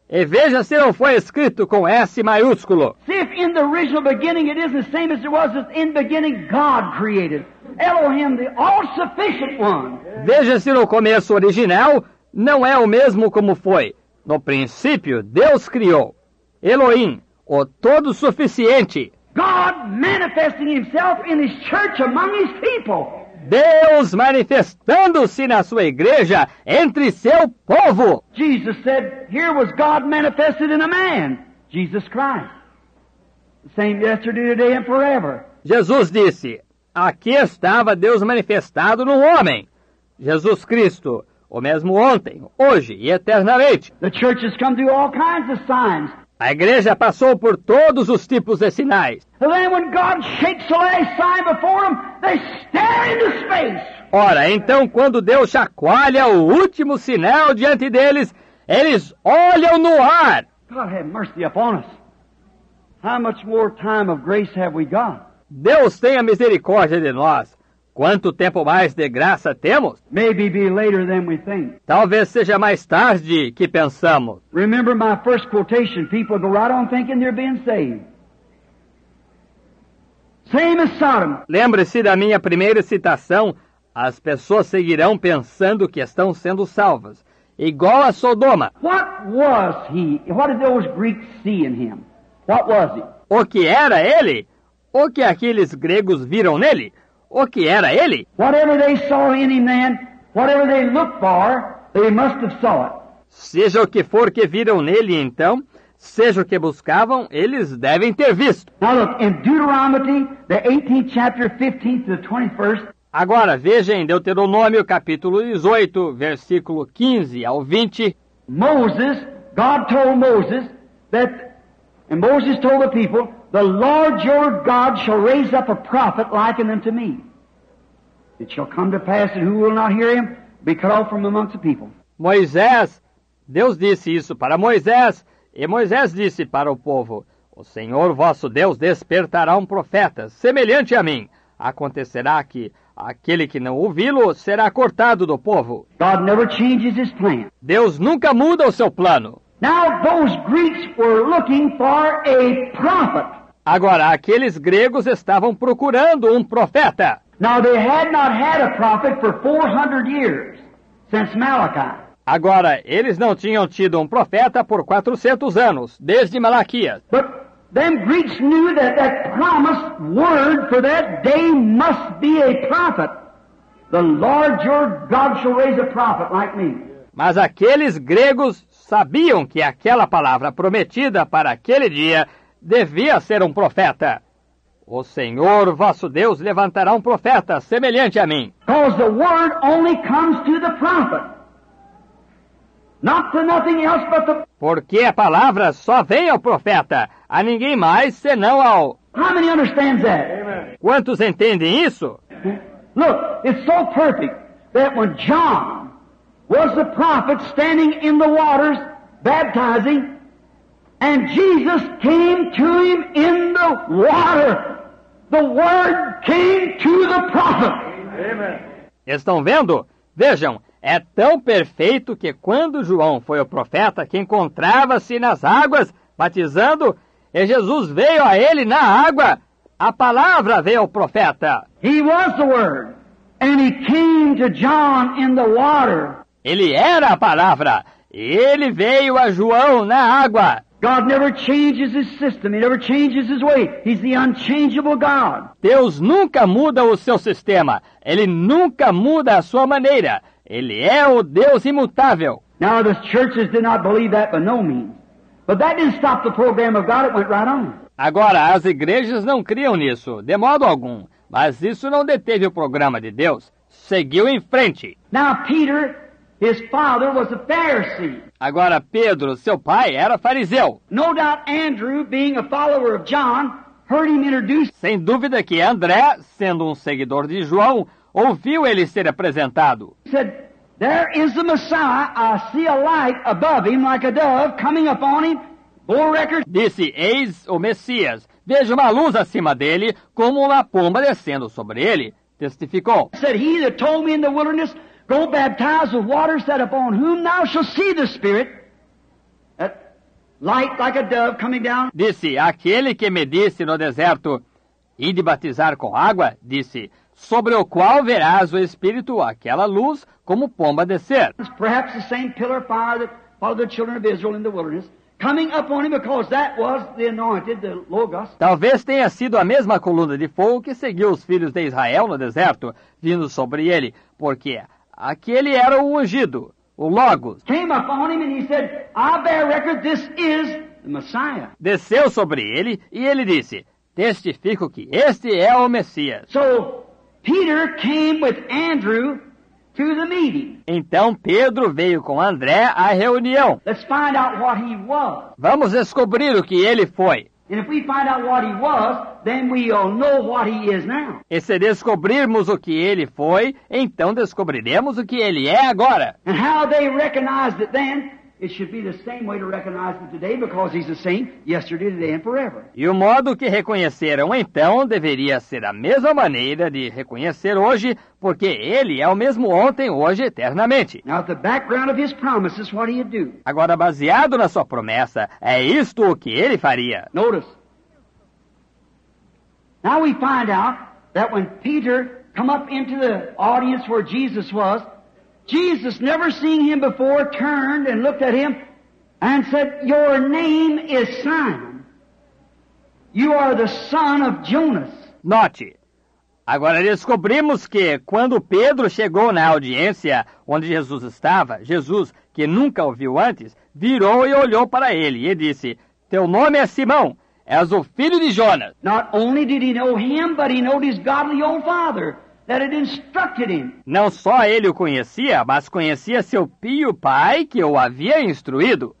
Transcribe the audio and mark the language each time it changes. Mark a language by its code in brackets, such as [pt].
[pt] E veja se não foi escrito com S maiúsculo. [en] See if in the original beginning it isn't the same as it was as in the beginning God created. Elohim, the all-sufficient one. [pt] Veja se no começo original não é o mesmo como foi. No princípio, Deus criou. Elohim, o Todo-Suficiente. [en] God manifesting himself in his church among his people. [pt] Deus manifestando-se na sua igreja entre seu povo. [en] Jesus said, here was God manifested in a man, Jesus Christ. The same yesterday, today and forever. [pt] Jesus disse, aqui estava Deus manifestado no homem, Jesus Cristo, o mesmo ontem, hoje e eternamente. [en] The church has come through all kinds of signs. [pt] A igreja passou por todos os tipos de sinais. [en] Then when God shakes the last sign before them, they stare into space. [pt] Ora, então quando Deus chacoalha o último sinal diante deles, eles olham no ar. [en] God have mercy upon us. How much more time of grace have we got? [pt] Deus tenha misericórdia de nós. Quanto tempo mais de graça temos? [en] Maybe be later than we think. [pt] Talvez seja mais tarde que pensamos. [en] Remember my first quotation, people go right on thinking they're being saved. Same as Sodom. [pt] Lembre-se da minha primeira citação, as pessoas seguirão pensando que estão sendo salvas, igual a Sodoma. [en] What was he? What did those Greeks see in him? What was he? [pt] O que era ele? O que aqueles gregos viram nele? O que era ele? [en] Whatever they saw in any man, whatever they looked for, they must have saw it. [pt] Seja o que for que viram nele, então, seja o que buscavam, eles devem ter visto. [en] Now look, in Deuteronomy, the 18th chapter, 15th to the 21st. [pt] Agora veja em Deuteronômio, capítulo 18, versículo 15 ao 20. [en] Moses, God told Moses that, and Moses told the people, the Lord your God shall raise up a prophet like unto me. It shall come to pass that who will not hear him be cut off from amongst the people. [pt] Moisés, Deus disse isso para Moisés, e Moisés disse para o povo, o Senhor vosso Deus despertará um profeta semelhante a mim. Acontecerá que aquele que não ouvi-lo será cortado do povo. [en] God never changes his plan. [pt] Deus nunca muda o seu plano. [en] Now those Greeks were looking for a prophet. [pt] Agora, aqueles gregos estavam procurando um profeta. [en] Now they had not had a prophet for 400 years since Malachi. [pt] Agora, eles não tinham tido um profeta por 400 anos, desde Malaquias. [en] But them Greeks knew that that promised word for that day must be a prophet. The Lord your God shall raise a prophet like me. [pt] Mas aqueles gregos sabiam que aquela palavra prometida para aquele dia devia ser um profeta. O Senhor vosso Deus levantará um profeta semelhante a mim. [en] Because the word only comes to the prophet. Not to nothing else but the... [pt] Porque a palavra só vem ao profeta, a ninguém mais senão ao... [en] How many understand that? [pt] Quantos entendem isso? [en] Look, it's so perfect that when John was the prophet standing in the waters baptizing, and Jesus came to him in the water. The word came to the prophet. Amen. [pt] Estão vendo? Vejam, é tão perfeito que quando João foi o profeta que encontrava-se nas águas batizando, e Jesus veio a ele na água, a palavra veio ao profeta. [en] He was the word, and he came to John in the water. [pt] Ele era a palavra. Ele veio a João na água. [en] God never changes his system. He never changes his way. He's the unchangeable God. [pt] Deus nunca muda o seu sistema. Ele nunca muda a sua maneira. Ele é o Deus imutável. [en] Now the churches did not believe that by no means. But that didn't stop the program of God. It went right on. [pt] Agora, as igrejas não criam nisso, de modo algum. Mas isso não deteve o programa de Deus. Seguiu em frente. [en] Now Peter... His father was a Pharisee. [pt] Agora Pedro, seu pai, era fariseu. [en] No doubt Andrew, being a follower of John, heard him introduced. [pt] Sem dúvida que André, sendo um seguidor de João, ouviu ele ser apresentado. [en] He said, there is the Messiah. I see a light above him like a dove coming upon him. Bull Record [pt] disse: eis o Messias. Veja uma luz acima dele, como uma pomba descendo sobre ele. Testificou: [en] said he that told me in the wilderness, go baptize with water, said upon whom thou shalt see the Spirit. Light like a dove coming down. [pt] Disse: aquele que me disse no deserto, ide batizar com água, disse, sobre o qual verás o Espírito, aquela luz, como pomba descer. [en] Perhaps the same pillar of fire that followed the children of Israel in the wilderness, coming up on him, because that was the anointed, the Logos. [pt] Talvez tenha sido a mesma coluna de fogo que seguiu os filhos de Israel no deserto, vindo sobre ele, porque aquele era o ungido. O Logos [en] came upon him and he said, I bear record this is the Messiah. [pt] Desceu sobre ele e ele disse, testifico que este é o Messias. [en] So Peter came with Andrew to the meeting. [pt] Então Pedro veio com André à reunião. [en] Let's find out what he was. [pt] Vamos descobrir o que ele foi. [en] And if we find out what he was, then we'll know what he is now. [pt] E se descobrirmos o que ele foi, então descobriremos o que ele é agora. [en] And how they recognized it then, it should be the same way to recognize it today, because he's the same yesterday, today, and forever. [pt] E o modo que reconheceram então deveria ser a mesma maneira de reconhecer hoje, porque ele é o mesmo ontem, hoje, eternamente. [en] Now, the background of his promises, what he'd do. [pt] Agora, baseado na sua promessa, é isto o que ele faria. [en] Notice. Now we find out that when Peter come up into the audience where Jesus was, Jesus, never seeing him before, turned and looked at him and said, your name is Simon. You are the son of Jonas. [pt] Note. Agora descobrimos que, quando Pedro chegou na audiência onde Jesus estava, Jesus, que nunca o viu antes, virou e olhou para ele e disse, teu nome é Simão. És o filho de Jonas. [en] Not only did he know him, but he knew his godly old father that had instructed him. [pt] Não só ele o conhecia, mas conhecia seu pio pai que o havia instruído.